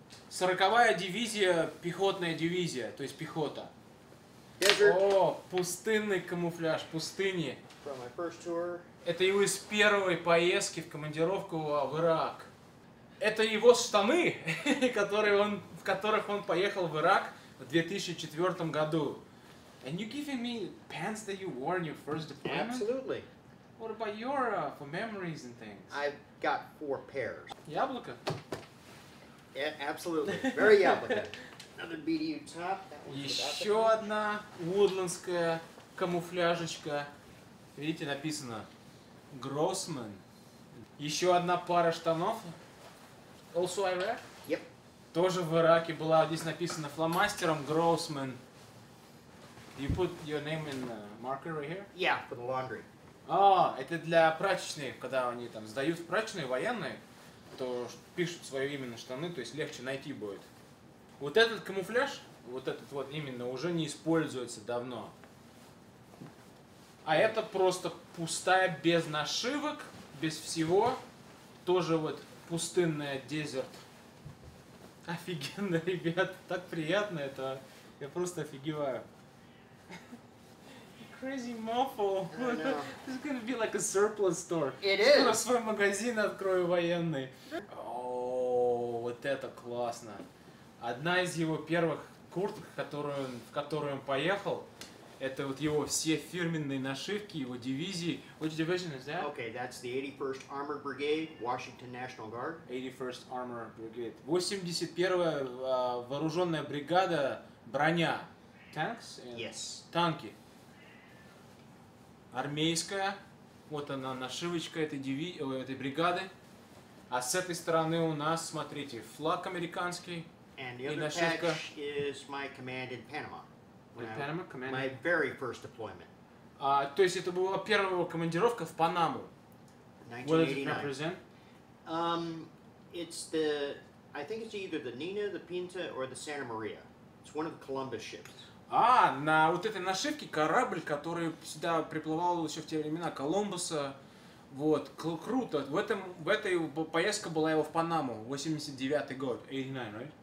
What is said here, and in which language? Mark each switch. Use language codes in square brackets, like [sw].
[ru] 40-я дивизия, пехотная дивизия, то есть пехота. [en] Desert. [ru] О, пустынный камуфляж, пустыни. [en] From my first tour. [ru] Это его из первой поездки в командировку в Ирак. Это его штаны, в которых он поехал в Ирак в 2004 году. [en] And you giving me pants that you wore in your first deployment? Absolutely. What about your for memories and things? I've got four pairs. [ru] Яблоко. [en] Yeah, absolutely. Very [ru] яблоко. [en] Another BDU top. [ru] Еще одна вудландская камуфляжечка. Видите, написано Grossman. Еще одна пара штанов. [en] Also Iraq? Yep. [ru] Тоже в Ираке была. Здесь написано фломастером Grossman. [en] You put your name in the marker right here? Yeah, for the laundry. [ru] А, это для прачечной, когда они там сдают в прачечные военные, то пишут свое имя на штаны, то есть легче найти будет. Вот этот камуфляж, вот этот вот именно, уже не используется давно. А это просто пустая, без нашивок, без всего. Тоже вот пустынная дезерт. Офигенно, ребят, так приятно это. Я просто офигеваю. [en] Crazy mofo. This is gonna be like a surplus store. It is. [ru] Скоро свой магазин открою военный. Вот это классно. Одна из его первых курток, в которую он поехал, это вот его все фирменные нашивки, его дивизии. [en] Which division is that? Okay, that's the 81st Armored Brigade, Washington National Guard. 81st Armored Brigade. [ru] 81-я вооруженная бригада, броня. [en] Tanks? Yes. [ru] Танки. Армейская. Вот она, нашивочка этой бригады. А с этой стороны у нас, смотрите, флаг американский. [en] And the other patch is my command in Panama. Panama command? My very first deployment. [ru] То есть это была первая командировка в Панаму. [en] 1989. What does it represent? I think it's either the Nina, the Pinta, or the Santa Maria. It's one of the Columbus ships. [ru] А, на вот этой нашивке корабль, который сюда приплывал еще в те времена, Колумбуса. Вот, круто. В этой поездке была его в Панаму, 89-й год, 89, [en] right?